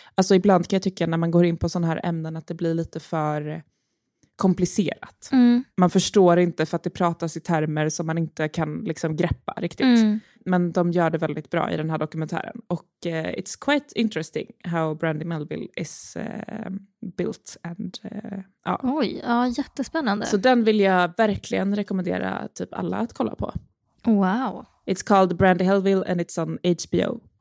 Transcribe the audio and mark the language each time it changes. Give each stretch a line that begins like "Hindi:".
Swedish: Alltså ibland kan jag tycka när man går in på sådana här ämnen att det blir lite för komplicerat. Mm. Man förstår inte för att det pratas i termer som man inte kan liksom greppa riktigt. Mm. Men de gör det väldigt bra i den här dokumentären.
English: Och it's quite interesting how Brandy Melville is built. And,
Swedish: Oj, ja, jättespännande. Så den vill jag verkligen rekommendera typ alla att kolla på. Wow.
English: It's called Brandy Helbig and it's on HBO.